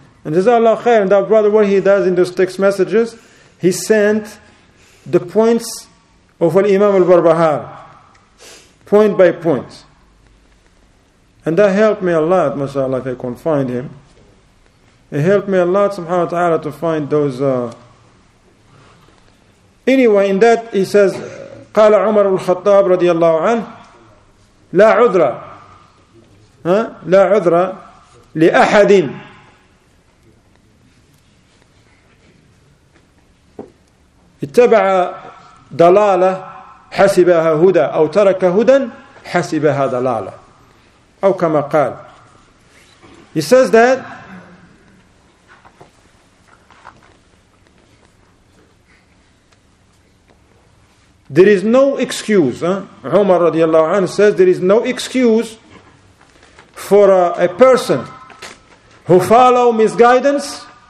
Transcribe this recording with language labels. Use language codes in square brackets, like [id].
[en] And jazakallah khair, and that brother, what he does in those text messages, he sent the points of Al-Imam Al-Barbahar, point by point. And that helped me a lot, mashallah, if I can find him. It helped me a lot, subhanahu wa ta'ala, to find those... Anyway, in that he says, [ar] قَالَ عُمَرُ الْخَطَّابُ رَضِيَ اللَّهُ عَنْهُ لَا عُذْرَ لَا عُذْرَ لِأَحَدٍ اتَّبَعَ ضَلَالَةً حَسِبَهَا هُدَى أو تَرَكَ هُدًى حَسِبَهَا ضَلَالَةً أو كَمَا قَال. [en] He says that there is no excuse, Umar radiallahu anhu says, there is no excuse for a person who follow misguidance.